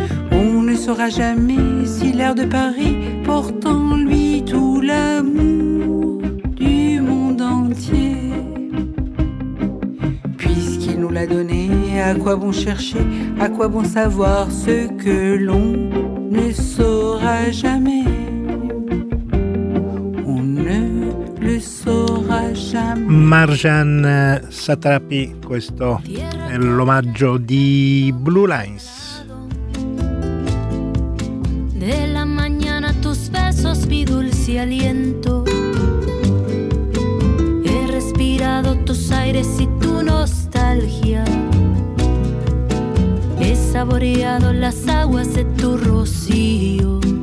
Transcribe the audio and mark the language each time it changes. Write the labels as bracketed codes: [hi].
[fr] On ne saura jamais si l'air de Paris porte en lui tout l'amour du monde entier. Puisqu'il nous l'a donné, à quoi bon chercher, à quoi bon savoir ce que l'on ne saura jamais. On ne le saura jamais. [it] Marjan Satrapi, questo è l'omaggio di Blue Lines. [es] De la mañana tus besos mi dulce aliento. He respirado tus aires y tu nostalgia. He saboreado las aguas de tu rocío.